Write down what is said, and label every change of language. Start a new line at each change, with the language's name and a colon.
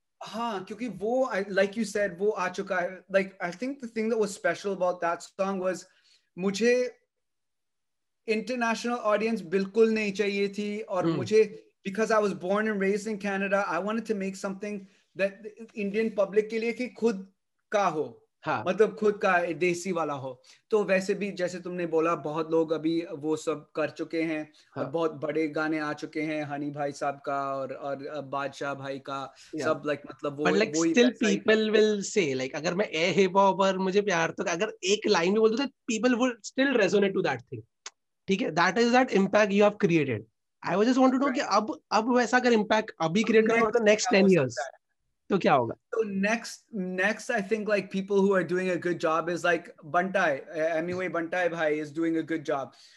Hindi: हाँ, क्योंकि वो
English: like you said,
Hindi: वो आ चुका है.
English: Like I think the thing that was special about that song was
Hindi: मुझे international audience बिल्कुल नहीं चाहिए थी, और मुझे
English: because I was born and raised in Canada, I wanted to make something that
Hindi: Indian public के लिए कि खुद का हो, मतलब खुद का देसी वाला हो, तो वैसे भी जैसे तुमने बोला बहुत लोग अभी वो सब कर चुके हैं, और बहुत बड़े गाने आ चुके हैं, हनी भाई साहब का और बादशाह भाई का सब, लाइक मतलब वो
English: still people will say, like
Hindi: अगर मैं ए हिप हॉप और मुझे प्यार तो अगर एक लाइन में बोल दूं तो
English: People will still resonate to that thing.
Hindi: ठीक है,
English: That is that impact you have created. I was just wanted to know
Hindi: कि अब वैसा अगर इंपैक्ट अभी क्रिएट करना होगा तो नेक्स्ट 10 इयर्स तो क्या होगा.
English: So next, I think like people who are doing a good job is like Bantai, anyway, Bantai bhai is doing a good job.